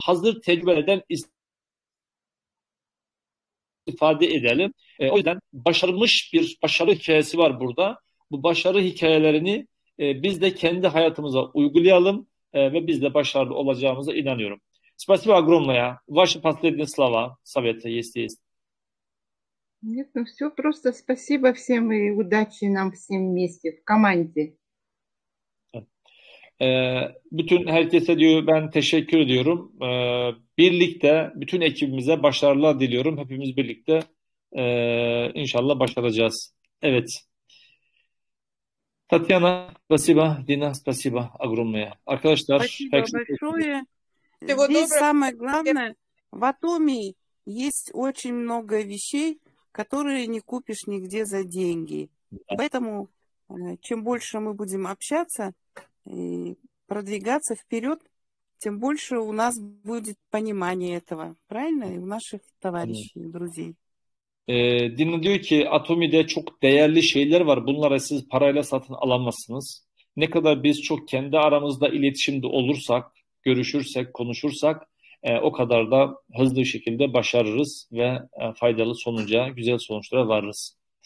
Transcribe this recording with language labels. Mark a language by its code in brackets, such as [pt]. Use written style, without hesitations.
[tr] Hazır tecrübeden ifade edelim. O yüzden başarmış bir başarı hikayesi var burada. Bu başarı hikayelerini biz de kendi hayatımıza uygulayalım ve biz de başarılı olacağımıza inanıyorum. [ru] Спасибо огромное. Ваши последние слова, советы, если есть. Нет, ну все просто спасибо всем и удачи нам всем вместе в команде. [tr] Bütün herkese diyor ben teşekkür ediyorum. Birlikte bütün ekibimize başarılar diliyorum. Hepimiz birlikte inşallah başaracağız. Evet. [ru] Татьяна, спасибо. Дина, спасибо огромное. [tr] Arkadaşlar, [ru] спасибо большое. Всего здесь доброго. Самое главное, в Атомии есть очень много вещей, которые не купишь нигде за деньги. Да. Поэтому, чем больше мы будем общаться и продвигаться вперед, тем больше у нас будет понимание этого. Правильно? И у наших товарищей, да. Друзей. [tr] Dino diyor ki Atomi'de çok değerli şeyler var. Bunlara siz parayla satın alamazsınız. Ne kadar biz çok kendi aramızda iletişimde olursak, görüşürsek, konuşursak o kadar da hızlı bir şekilde başarırız ve faydalı sonuca, güzel sonuçlara varırız.